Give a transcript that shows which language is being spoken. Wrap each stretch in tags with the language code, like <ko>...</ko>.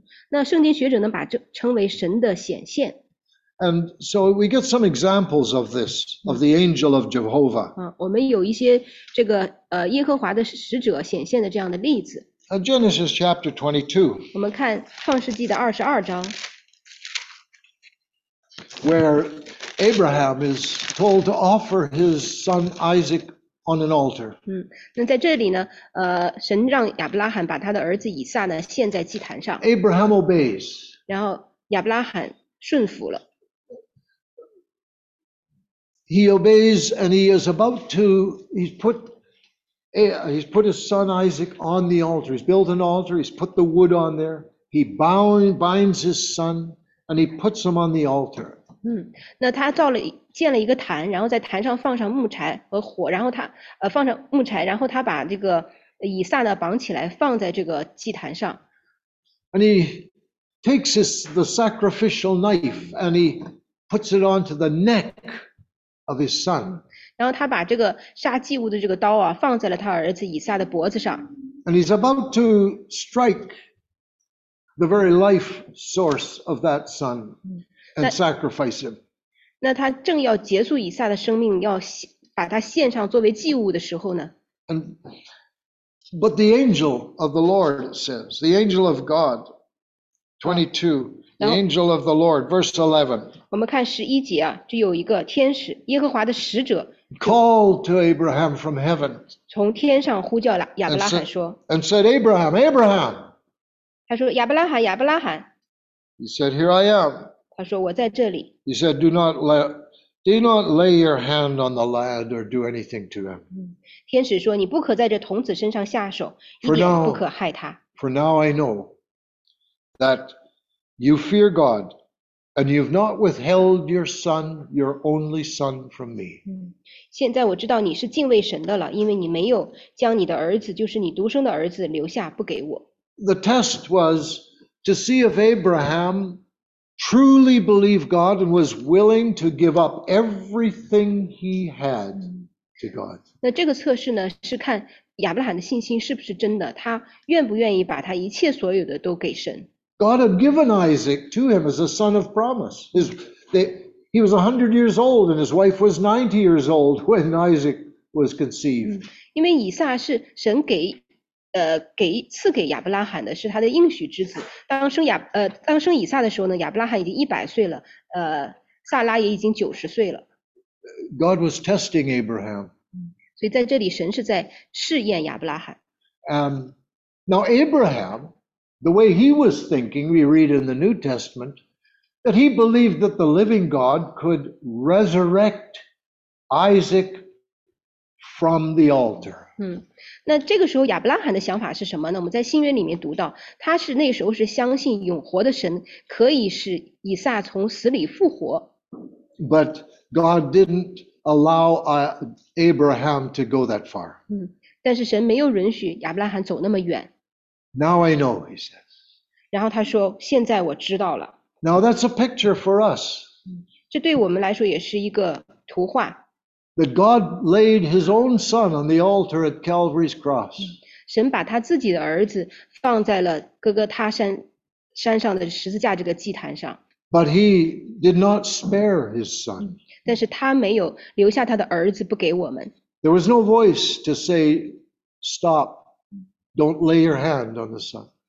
<zh>那圣经学者呢把这称为神的显现。</zh> <en>And so we get some examples of this, of the angel of Jehovah.</en> <zh>我们有一些这个耶和华的使者显现的这样的例子。</zh> <en>Genesis chapter 22.</en> <zh>我们看创世纪的二十二章。</zh> <en>Where Abraham is told to offer his son Isaac on an altar.</en> <zh>那在这里呢，神让亚伯拉罕把他的儿子以撒呢献在祭坛上。</zh> <en>Abraham obeys.</en> <zh>然后亚伯拉罕顺服了。</zh> <en>He obeys and he is about to, he's put his son Isaac on the altar. He's built an altar, he's put the wood on there. He binds his son and he puts him on the altar.</en> <zh>那他建了一个坛，然后在坛上放上木柴和火，然后他放上木柴，然后他把这个以撒呢绑起来放在这个祭坛上。</zh> <en>And he takes the sacrificial knife and he puts it onto the neck of his son.</en> <zh>然后他把这个杀祭物的这个刀啊放在了他儿子以撒的脖子上。</zh> <en>And he's about to strike the very life source of that son. And sacrifice him.</en> <zh>那他正要结束以撒的生命，要把他献上作为祭物的时候呢？</zh> <en>But the angel of the Lord says, the angel of God, 22, the angel of the Lord, verse 11.</en> <zh>我们看十一节啊，这有一个天使，耶和华的使者。</zh> <en>Called to Abraham from heaven.</en> <zh>从天上呼叫了亚伯拉罕说。</zh> <en>And said, Abraham, Abraham.</en> <zh>他说亚伯拉罕，亚伯拉罕。</zh> <en>He said, Here I am.</en> <zh>他说我在这里。</zh> <en>He said, Do not lay your hand on the lad or do anything to him.</en> <zh>天使说你不可在这童子身上下手，一点不可害他。</zh> <en>For now I know that you fear God. And you've not withheld your son, your only son, from me.</en> <zh>现在我知道你是敬畏神的了，因为你没有将你的儿子，就是你独生的儿子留下不给我。</zh> <en>The test was to see if Abraham truly believed God and was willing to give up everything he had to God.</en> <zh>那这个测试呢，是看亚伯拉罕的信心是不是真的，他愿不愿意把他一切所有的都给神。</zh> <en>God had given Isaac to him as a son of promise. He was 100 years old and his wife was 90 years old when Isaac was conceived.</en> <zh>因为以撒是神给赐给亚伯拉罕的，是他的应许之子。当生以撒的时候呢，亚伯拉罕已经100岁了，撒拉也已经90岁了。</zh> <en>God was testing Abraham.</en> <zh>所以在这里神是在试验亚伯拉罕。</zh> <en>Now Abraham,The way he was thinking, we read in the New Testament, that he believed that the living God could resurrect Isaac from the altar.</en> <zh>那这个时候亚伯拉罕的想法是什么呢？我们在新约里面读到，他是那时候是相信永活的神可以使以撒从死里复活。</zh> <en>But God didn't allow Abraham to go that far.</en> <zh>但是神没有允许亚伯拉罕走那么远。</zh> <en>Now I know, he says.</en> <zh>然后他说，现在我知道了。</zh> <en>Now that's a picture for us.</en> <zh>这对我们来说也是一个图画。</zh> <en>That God laid his own son on the altar at Calvary's cross.</en> <zh>神把他自己的儿子放在了哥哥他山上的十字架这个祭坛上。</zh> <en>But he did not spare his son.</en> <zh>但是他没有留下他的儿子不给我们。</zh> <en>There was no voice to say, stop. Don't lay your hand on the son.</en>